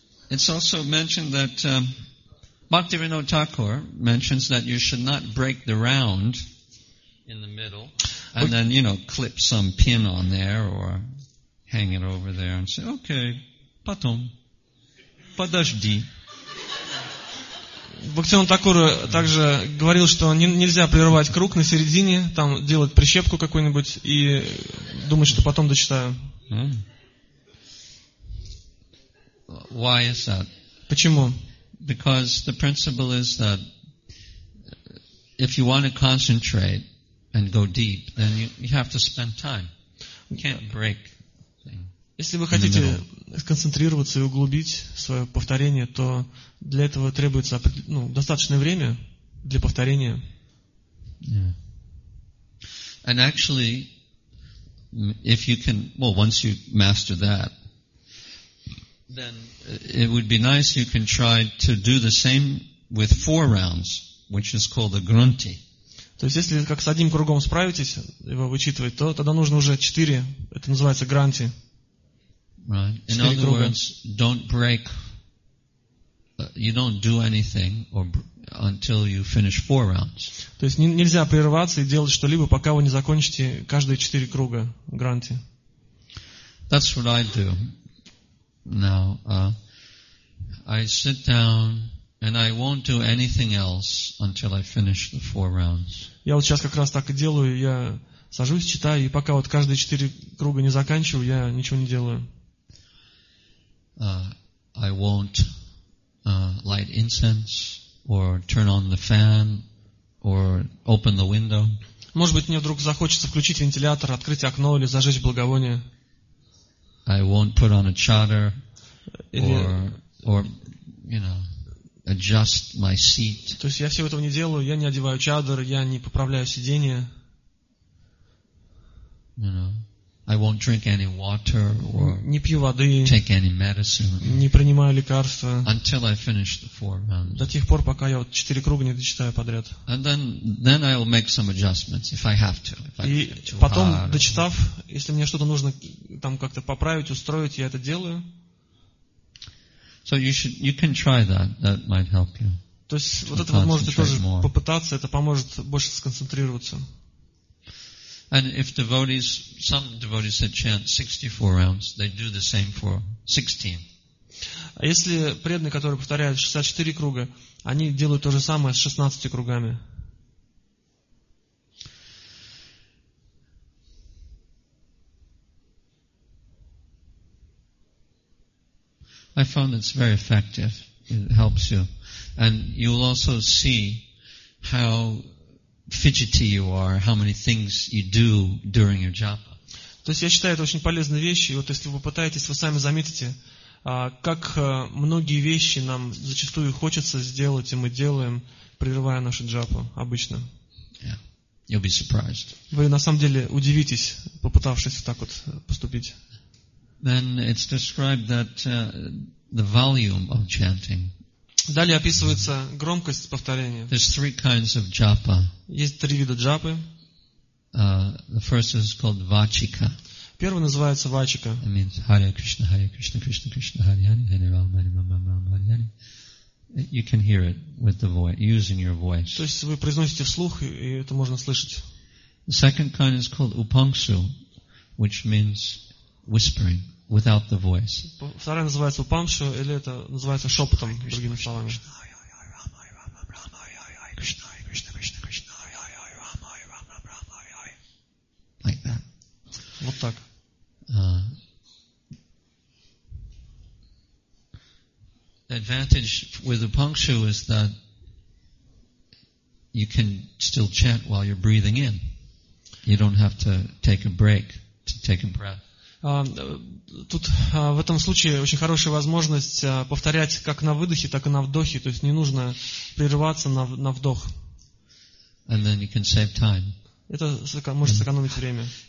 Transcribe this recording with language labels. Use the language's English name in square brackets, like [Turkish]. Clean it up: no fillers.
[English] It's also mentioned that Bhaktivinoda Thakur mentions that you should not break the round in the middle and then, you know, clip some pin on there or hang it over there and say, okay, [Russian] потом, подожди. Бхактивинода Такур также говорил, что нельзя прерывать круг на середине, там делать прищепку какую-нибудь и думать, что потом дочитаю. [English] Why is that? [Russian] Почему? [English] Because the principle is that if you want to concentrate and go deep, then you have to spend time. You can't break. [Russian] Если вы хотите сконцентрироваться и углубить свое повторение, то для этого требуется достаточное время для повторения. [English] Yeah. And actually, if you can, well, once you master that, then it would be nice if you can try to do the same with four rounds, which is called the grunti. [Russian] То есть, если как с одним кругом справитесь, его вычитывать, то тогда нужно уже четыре, это называется гранти. [English] Right. In other words, don't break. You don't do anything until you finish four rounds. [Russian] То есть нельзя прерываться и делать что-либо, пока вы не закончите каждые четыре круга гранти. [English] That's what I do. Now, I sit down and I won't do anything else until I finish the four rounds. [Russian] Я вот сейчас как раз так и делаю. Я сажусь, читаю, и пока вот каждые четыре круга не заканчиваю, я ничего не делаю. [English] I won't light incense or turn on the fan or open the window. [Russian] Может быть, мне вдруг захочется включить вентилятор, открыть окно или зажечь благовоние. [English] I won't put on a chadar or you know, adjust my seat. [Russian] То есть я всего этого не делаю, я не одеваю чадар, я не поправляю сиденье. [English] You know, I won't drink any water or [Russian] не пью воды, [English] take any medicine, [Russian] не принимаю лекарства [English] until I finish the four rounds. [Russian] До тех пор, пока я вот четыре круга не дочитаю подряд. [English] And then I will make some adjustments if I have to. [Russian] И потом, дочитав, если мне что-то нужно там как-то поправить, устроить, я это делаю. [English] So you can try that. That might help you. [Russian] То есть вот это вы можете тоже попытаться, это поможет больше сконцентрироваться. [English] And if devotees, some devotees that chant 64 rounds, they do the same for 16. [Russian] А если преданные, которые повторяют 64 круга, они делают то же самое с 16 кругами? [English] I found it's very effective. It helps you. And you'll also see how fidgety you are, how many things you do during your japa. [Russian] То есть я считаю это очень полезной вещью. Вот если вы попытаетесь, вы сами заметите, как многие вещи нам зачастую хочется сделать, и мы делаем, прерывая нашу джапу обычно. [English] Yeah. You'll be surprised. [Russian] Вы на самом деле удивитесь, попытавшись так вот поступить. [English] Then it's described that the volume of chanting. [Russian] Далее описывается громкость повторения. [English] There's three kinds of japa. [Russian] Есть три вида джапы. [English] The first is called vachika. [Russian] Первый называется вачика. [English] It means [Sanskrit] Hare Krishna, Hare Krishna, Krishna Krishna, Hare Hare, Hare Rama, Hare Rama, Rama Rama, Hare Hare. [English] You can hear it with the voice, using your voice. [Russian] То есть вы произносите вслух, и это можно слышать. [English] The second kind is called upangsu, which means whispering. Without the voice. [Russian] Вторая называется упамшу, или это называется шепотом, другими словами. [English] Like that. [Russian] Вот так. [English] The advantage with upamshu is that you can still chant while you're breathing in. You don't have to take a break to take a breath. [Russian] Тут в этом случае очень хорошая возможность повторять как на выдохе, так и на вдохе. То есть не нужно прерываться на вдох. [English] And then you can save time. [Russian] Это может сэкономить время.